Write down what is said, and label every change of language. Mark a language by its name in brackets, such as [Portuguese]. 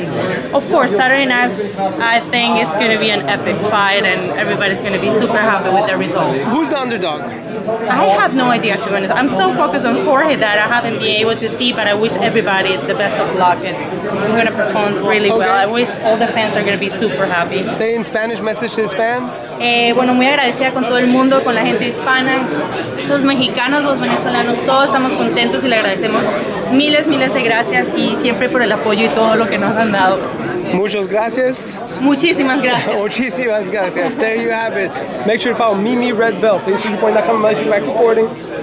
[English] And of course, Saturday night, I think it's going to be an epic fight, and everybody's going to be super happy with the result. Who's the underdog? I have no idea, to be honest. I'm so focused on Jorge that I haven't been able to see, but I wish everybody the best of luck, and we're going to perform really well. I wish all the fans are going to be super happy. Say in Spanish message to his fans. [Spanish] Bueno, muy agradecida con todo el mundo, con la gente hispana, los mexicanos, los venezolanos, todos estamos contentos y le agradecemos miles, miles de gracias y siempre por el apoyo y todo lo que nos han dado. Muchas gracias. Muchísimas gracias. Muchísimas gracias. [English] There you have it. Make sure to follow Mimi Red Bell, facebook.com/MySuperReporting.